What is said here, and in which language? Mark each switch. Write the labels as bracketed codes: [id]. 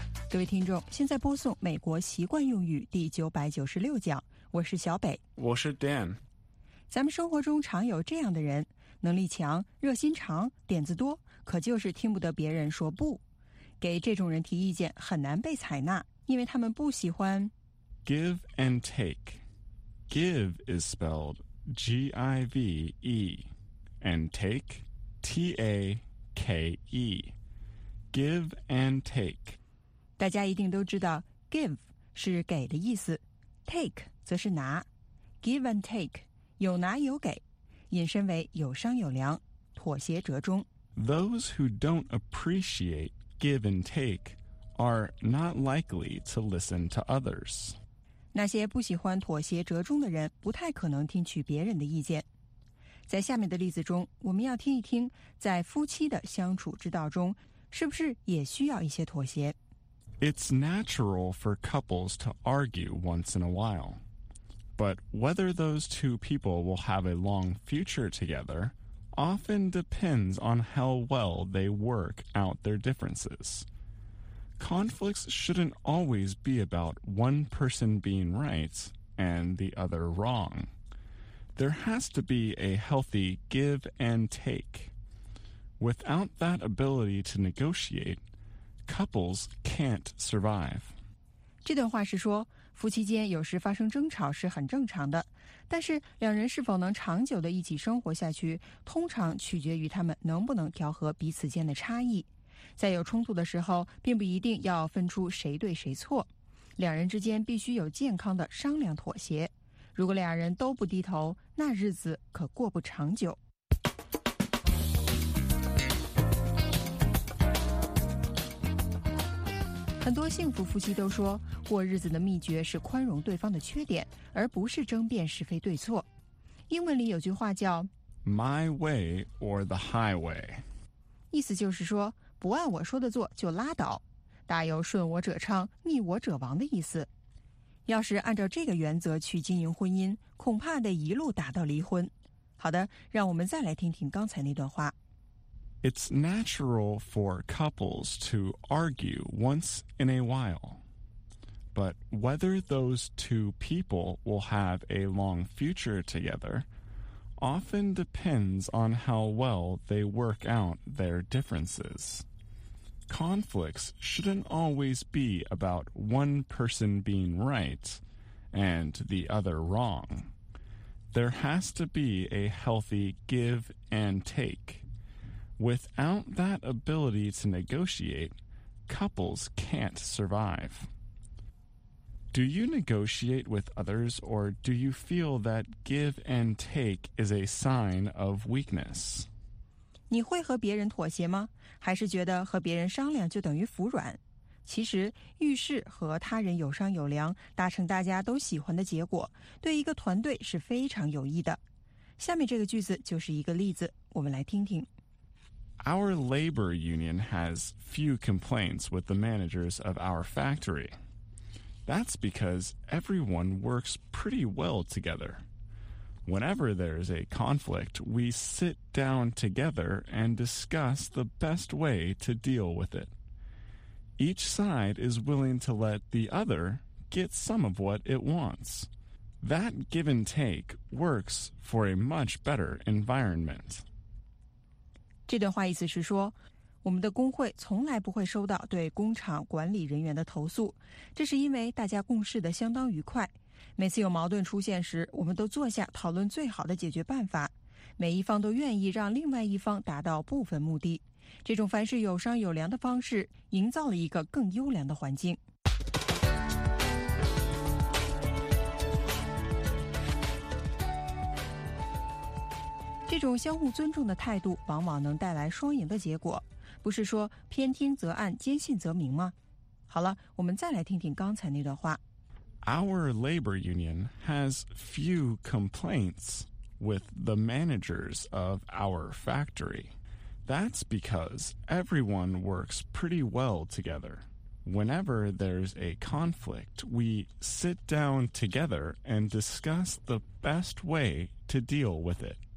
[zh] 各位听众现在播送美国习惯用语第996讲我是小北我是 Dan 咱们生活中常有这样的人能力强热心肠点子多可就是听不得别人说不给这种人提意见很难被采纳因为他们不喜欢 [en] Give and take Give is spelled G-I-V-EAnd take, T-A-K-E. Give and take. [zh] 大家一定都知道 give 是给的意思 take 则是拿 Give and take, 有拿有给引申为有商有量妥协折中 [en] Those who don't appreciate give and take are not likely to listen to others. [zh] 那些不喜欢妥协折中的人不太可能听取别人的意见在下面的例子中我们要听一听在夫妻的相处之道中是不是也需要一些妥协 [en] It's natural for couples to argue once in a while. But whether those two people will have a long future together often depends on how well they work out their differences. Conflicts shouldn't always be about one person being right and the other wrong. There has to be a healthy give and take. Without that ability to negotiate, couples can't survive. [zh] 这段话是说，夫妻间有时发生争吵是很正常的，但是两人是否能长久地一起生活下去，通常取决于他们能不能调和彼此间的差异。在有冲突的时候，并不一定要分出谁对谁错，两人之间必须有健康的商量妥协。如果两人都不低头，那日子可过不长久。很多幸福夫妻都说，过日子的秘诀是宽容对方的缺点，而不是争辩是非对错。英文里有句话叫 [en] My way or the highway， [zh] 意思就是说不按我说的做就拉倒，大有顺我者昌逆我者亡的意思。要是按照这个原则去经营婚姻，恐怕得一路打到离婚。好的，让我们再来听听刚才那段话。 [en] It's natural for couples to argue once in a while. But whether those two people will have a long future together often depends on how well they work out their differences. Conflicts shouldn't always be about one person being right and the other wrong. There has to be a healthy give and take. Without that ability to negotiate, couples can't survive. Do you negotiate with others, or do you feel that give and take is a sign of weakness? [zh] 你会和别人妥协吗？还是觉得和别人商量就等于服软？其实，遇事和他人有商有量，达成大家都喜欢的结果，对一个团队是非常有益的。下面这个句子就是一个例子，我们来听听。 [en] Our labor union has few complaints with the managers of our factory. That's because everyone works pretty well together. Whenever there's a conflict, we sit down together and discuss the best way to deal with it. Each side is willing to let the other get some of what it wants. That give and take works for a much better environment. [zh] 这段话意思是说，我们的工会从来不会收到对工厂管理人员的投诉，这是因为大家共事的相当愉快。每次有矛盾出现时，我们都坐下讨论最好的解决办法，每一方都愿意让另外一方达到部分目的。这种凡事有商有量的方式，营造了一个更优良的环境。这种相互尊重的态度往往能带来双赢的结果，不是说偏听则暗，坚信则明吗？好了，我们再来听听刚才那段话。 [en] Our labor union has few complaints with the managers of our factory. That's because everyone works pretty well together. Whenever there's a conflict, we sit down together and discuss the best way to deal with it.